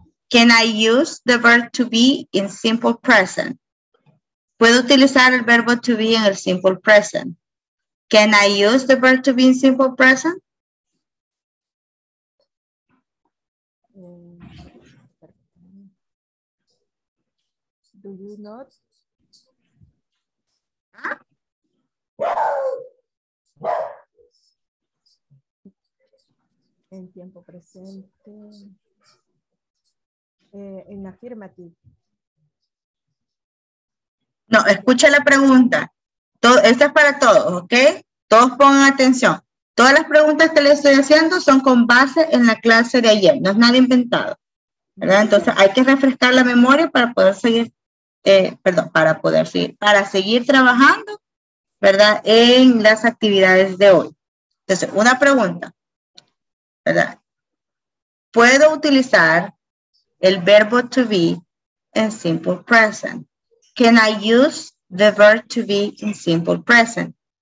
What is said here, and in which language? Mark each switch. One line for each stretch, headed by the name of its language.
English: Can I use the verb to be in simple present?
Spanish: ¿Puedo utilizar el verbo to be en el simple present?
English: Can I use the verb to be in simple present? Do you not?
Spanish: En tiempo presente. En affirmative. No, escucha la pregunta. Todo, esta es para todos, ¿ok? Todos pongan atención. Todas las preguntas que les estoy haciendo son con base en la clase de ayer. No es nada inventado, ¿verdad? Entonces hay que refrescar la memoria para poder seguir, para seguir trabajando, ¿verdad? En las actividades de hoy. Entonces, una pregunta, ¿verdad? ¿Puedo utilizar el verbo to be en simple present?
English: Can I use the verb to be in simple present?